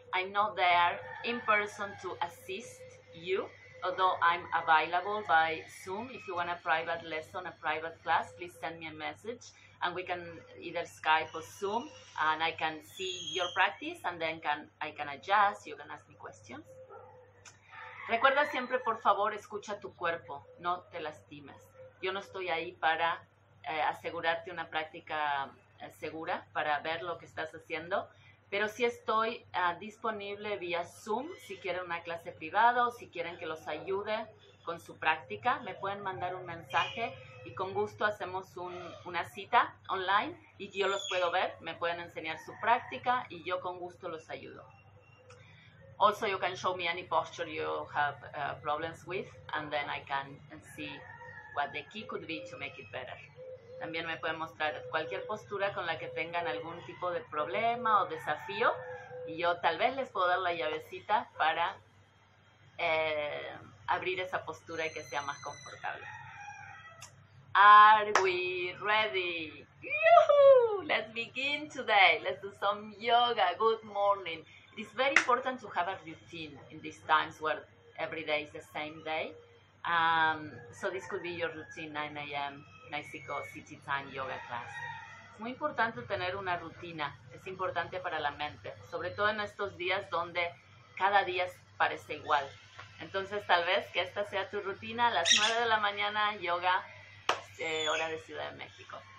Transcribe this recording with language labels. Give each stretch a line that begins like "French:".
English: I'm not there in person to assist you, although I'm available by Zoom. If you want a private lesson, a private class, please send me a message and we can either Skype or Zoom and I can see your practice and then I can adjust, you can ask me questions.
Spanish: Recuerda siempre, por favor, escucha tu cuerpo, no te lastimes. Yo no estoy ahí para asegurarte una práctica segura, para ver lo que estás haciendo, pero sí estoy disponible vía Zoom, si quieren una clase privada o si quieren que los ayude con su práctica, me pueden mandar un mensaje y con gusto hacemos una cita online y yo los puedo ver, me pueden enseñar su práctica y yo con gusto los ayudo.
English: Also, you can show me any posture you have problems with, and then I can see what the key could be to make it better.
Spanish: También me pueden mostrar cualquier postura con la que tengan algún tipo de problema o desafío, y yo tal vez les puedo dar la llavecita para abrir esa postura y que sea más confortable.
English: Are we ready? ¡Yuhu! Let's begin today. Let's do some yoga. Good morning. It's very important to have a routine in these times where every day is the same day. So this could be your routine, 9 a.m. Mexico City Time yoga class.
Spanish: Es muy importante tener una rutina. Es importante para la mente, sobre todo en estos días donde cada día parece igual. Entonces, tal vez que esta sea tu rutina, a las 9 de la mañana, yoga, hora de Ciudad de México.